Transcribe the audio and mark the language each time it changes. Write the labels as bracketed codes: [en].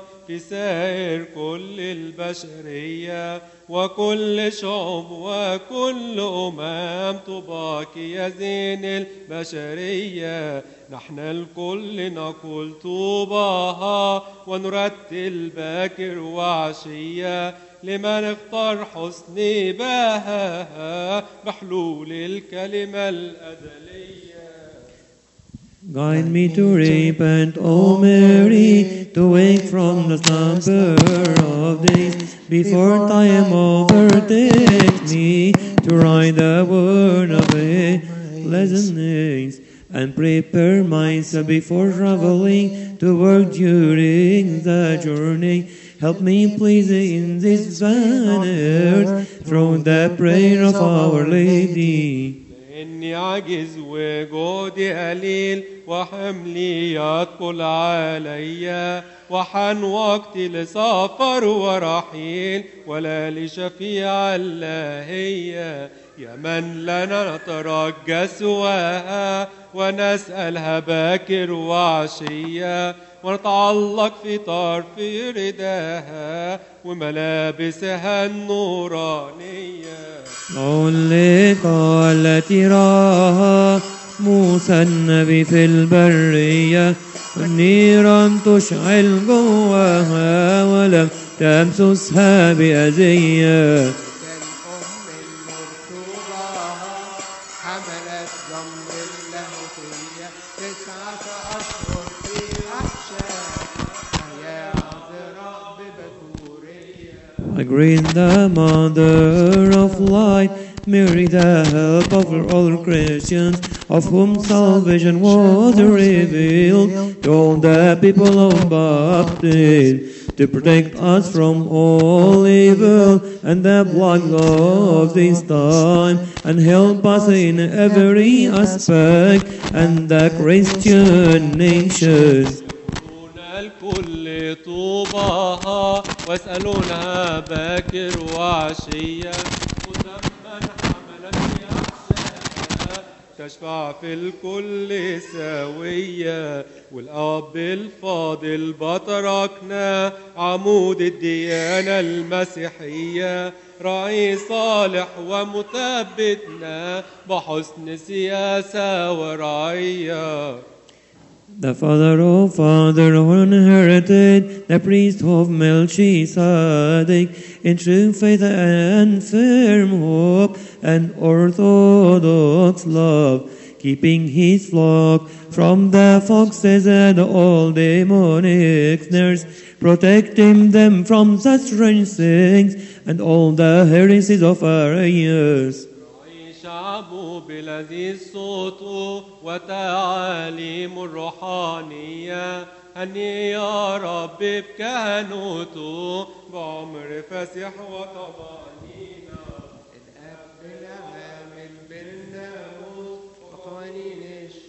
[ar] في سائر كل البشرية وكل شعوب وكل أمام تباكي يا زين البشرية نحن الكل نقول طوباها ونرتل باكر وعشية لمن اختار حسن باهاها بحلول الكلمة الأدلية [en] Guide me to repent, O Mary, to wake from the slumber of days. Before time overtakes me, to write the word of a pleasant days. And prepare myself before traveling, to work during the journey. Help me please in this vain earth, through the prayer of Our Lady. [ar] إني عجز وجودي قليل وحملي يطول عليا وحان وقتي لسفر ورحيل ولا لشفيع اللهية يا من لنا نترجى سواها ونسألها باكر وعشية ونتعلق في طرف رداها وملابسها النورانية العلقة التي راها موسى النبي في البرية والنيران تشعل جواها ولم تمسسها بأذية [en] Green the Mother of Light, Mary the help of all Christians, of whom salvation was revealed to all the people of Baptist, to protect us from all evil and the plagues of this time, and help us in every aspect and the Christian nations. [ar] كل طوباها واسألونها باكر وعشية قدما حملت في أحشائها تشفع في الكل سوية والأب الفاضل بتركنا عمود الديانة المسيحية رعي صالح ومثبتنا بحسن سياسة ورعية [en] the father of father of inherited, the priest of Melchizedek, in true faith and firm hope and orthodox love, keeping his flock from the foxes and all demonic snares, protecting them from such strange things and all the heresies of our years. [ar] شعب بلذي الصوت وتعاليم الروحانية هني يا رب بكهنوت بعمر فسح وطبانينا الأب بالعام بالناموس وقوانين